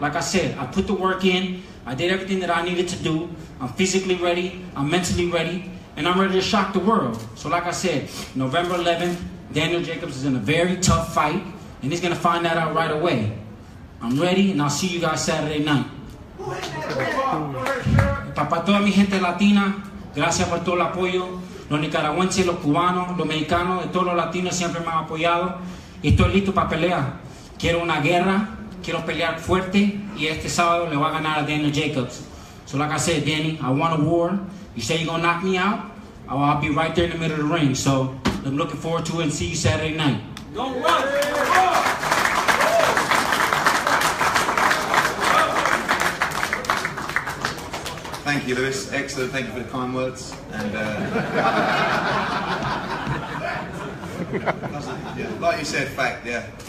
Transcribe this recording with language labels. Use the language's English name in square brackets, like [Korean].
[English] Like I said, I put the work in, I did everything that I needed to do. I'm physically ready, I'm mentally ready, and I'm ready to shock the world. So like I said, November 11th, Daniel Jacobs is in a very tough fight, and he's going to find that out right away. I'm ready, and I'll see you guys Saturday night. [Spanish] Para toda mi gente latina, gracias por todo el apoyo. Los nicaragüenses, los cubanos, los mexicanos, y todos los latinos siempre me han apoyado. Y estoy listo para pelear. Quiero una guerra, quiero pelear fuerte, y este sábado le voy a ganar a Daniel Jacobs. [English] So like I said, Danny, I want a war. You say you're going to knock me out, I'll be right there in the middle of the ring. So I'm looking forward to it and see you Saturday night. Don't run! Thank you, Lewis. Excellent. Thank you for the kind words. And like you said, fact, yeah.